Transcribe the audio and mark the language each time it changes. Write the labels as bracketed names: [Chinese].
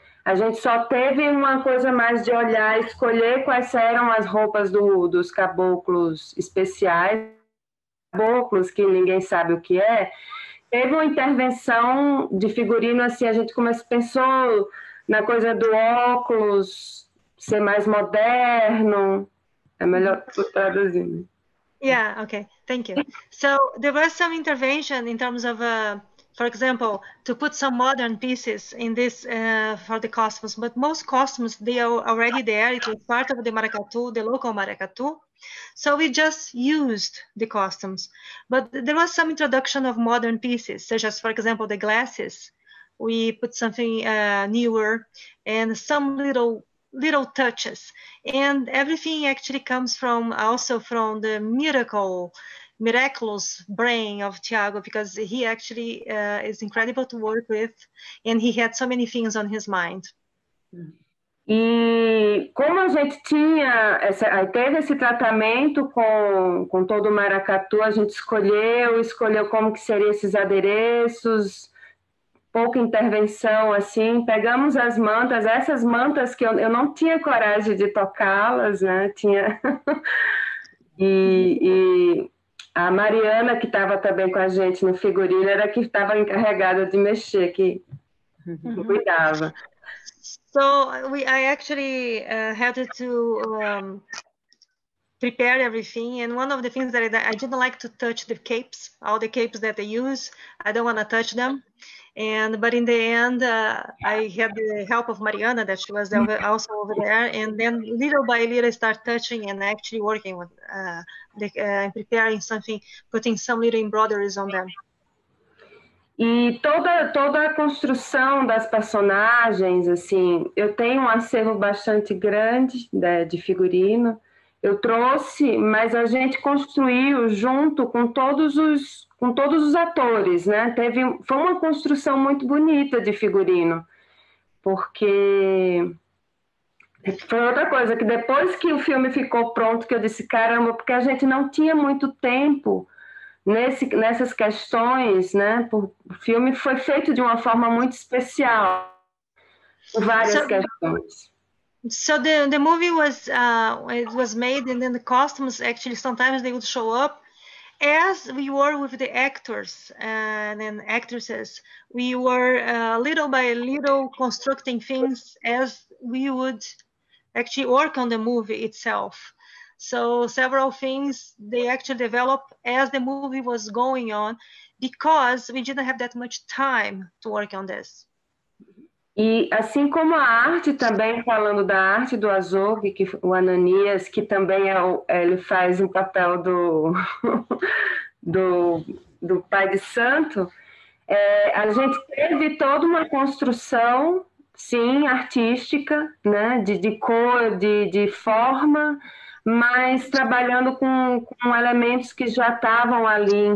[Portuguese] A gente só teve uma coisa mais de olhar, escolher quais eram as roupas dos caboclos especiais, caboclos que ninguém sabe o que é. Teve uma intervenção de figurino, assim, a gente pensou na coisa do óculos ser mais moderno. É melhor traduzir. [English] Yeah, okay, thank you. So, there was some intervention in terms of... For example, to put some modern pieces in this for the costumes, but most costumes, they are already there. It was part of the maracatu, the local maracatu. So we just used the costumes. But there was some introduction of modern pieces, such as, for example, the glasses. We put something newer and some little little touches, and everything actually comes from also from the miraculous brain of Thiago, because he actually is incredible to work with, and he had so many things on his mind. [Portuguese] E como a gente tinha essa, teve esse tratamento com todo o maracatu, a gente escolheu como que seriam esses adereços, pouca intervenção, assim, pegamos as mantas, essas mantas que eu não tinha coragem de tocá-las, né, tinha, e a Mariana, que estava também com a gente no figurino, era que estava encarregada de mexer, que cuidava. [English] So, I actually had to prepare everything, and one of the things that I didn't like to touch the capes, all the capes that they use, I don't want to touch them. But in the end, I had the help of Mariana, that she was also over there. And then little by little, I start touching and actually working with preparing something, putting some little embroideries on them. [Portuguese] E toda a construção das personagens, assim, eu tenho um acervo bastante grande de figurino. Eu trouxe, mas a gente construiu junto com todos os atores, né? Foi uma construção muito bonita de figurino, porque foi outra coisa, que depois que o filme ficou pronto, que eu disse, caramba, porque a gente não tinha muito tempo nessas questões, né? O filme foi feito de uma forma muito especial, com várias questões. [English] So the movie was, it was made, and then the costumes, actually, sometimes they would show up. As we were with the actors and then actresses, we were little by little constructing things as we would actually work on the movie itself. So several things, they actually developed as the movie was going on, because we didn't have that much time to work on this. [Portuguese] E assim como a arte também, falando da arte do Azog, que o Ananias, que também ele faz um papel do pai de santo, a gente teve toda uma construção, sim, artística, né, de cor, de forma, mas trabalhando com elementos que já estavam ali.